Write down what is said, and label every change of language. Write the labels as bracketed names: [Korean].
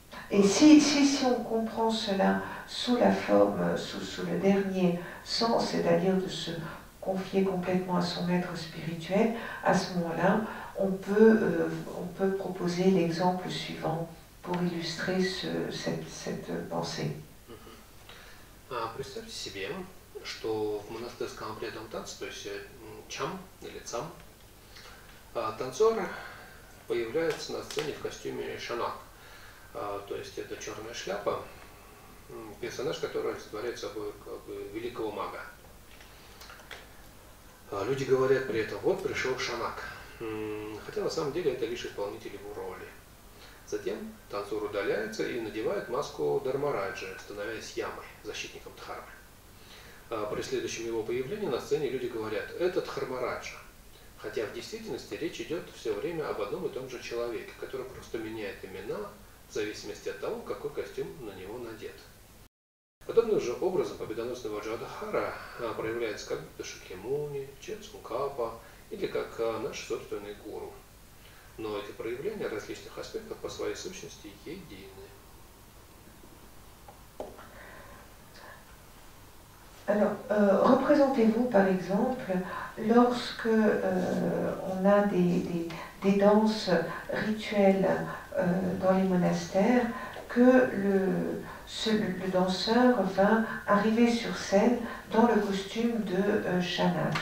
[French] Et si on comprend cela sous la forme, sous le dernier sens, c'est-à-dire de se confier complètement à son maître spirituel, à ce moment-là, on peut proposer l'exemple suivant. pour illustrer cette pensée. [Russian] Представьте себе, что в монастырском обрядовом танце, то есть чам или цам, танцоры появляются на сцене в костюме шанак. То есть это черная шляпа, персонаж, который олицетворяет собой как бы великого мага. Люди говорят при этом, вот пришел шанак. Хотя на самом деле это лишь исполнитель его роли. Затем танцор удаляется и надевает маску Дармараджи, становясь Ямой, защитником Дхармы. При следующем его появлении на сцене люди говорят, это Дхармараджа. Хотя в действительности речь идет все время об одном и том же человеке, который просто меняет имена в зависимости от того, какой костюм на него надет. Подобным же образом победоносный Ваджрадхара проявляется как будто Шакьямуни, Чедсункапа или как наш собственный гуру. Но эти проявления различных аспектов по своей сущности едины. [French] Alors, représentez-vous par exemple lorsque on a des danses rituelles dans les monastères que le danseur va arriver sur scène dans le costume de Shanak.